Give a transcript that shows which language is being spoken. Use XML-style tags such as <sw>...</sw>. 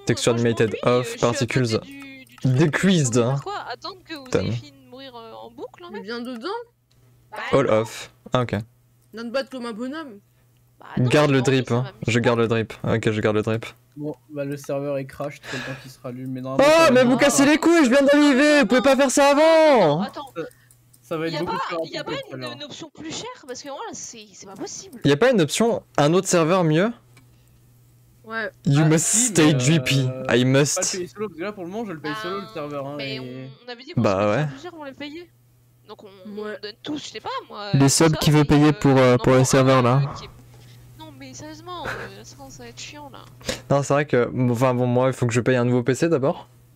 <en>Texture animated off, particles decreased.</en> <fr>Quoi? Attendre que vous ayez fini de mourir en boucle, mais bien dedans.</fr> <en>All off. Ah, ok.</en> <fr>Non, bat comme un bonhomme. Attends, garde le drip, hein. Je garde le drip. Ok, je garde le drip. Bon, bah le serveur est crashed, tout le temps qu'il sera allumé. Oh, mais vous cassez les couilles, je viens d'arriver, vous pouvez pas faire ça avant. Attends, ça va être beaucoup plus cher. Y'a pas une option plus chère? Parce que moi, là, c'est pas possible. Y'a pas une option, un autre serveur mieux? Ouais.</fr> <en>You must stay drippy, I must.</en> <fr>Je vais pas le payer solo, là pour le moment, je le paye solo le serveur. Mais on avait dit bah ouais. On l'a payé. Donc on donne tous, je sais pas moi. Les subs qui veut payer pour les serveurs là. Mais sérieusement, ça va être chiant là. Non, c'est vrai que. Enfin bon, moi, il faut que je paye un nouveau PC d'abord.</fr>